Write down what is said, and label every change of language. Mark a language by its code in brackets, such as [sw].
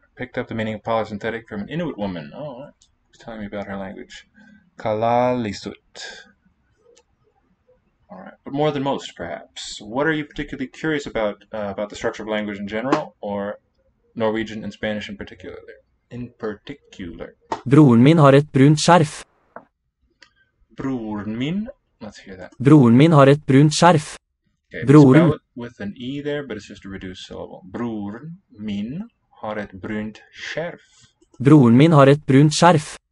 [en] Picked up the meaning of polysynthetic from an Inuit woman. Oh, she's telling me about her language. Kalalisut. All right. But more than most, perhaps. What are you particularly curious about the structure of language in general, or Norwegian and Spanish in particular? In particular. [no] Broren min har ett brunt skjerf. Broren min, [en] let's hear that. [no] Broren min har ett brunt skjerf. [en] Okay, broren. Spell it with an E there, but it's just a reduced syllable. [no] Broren min har ett brunt skjerf. Broren min har ett brunt skjerf.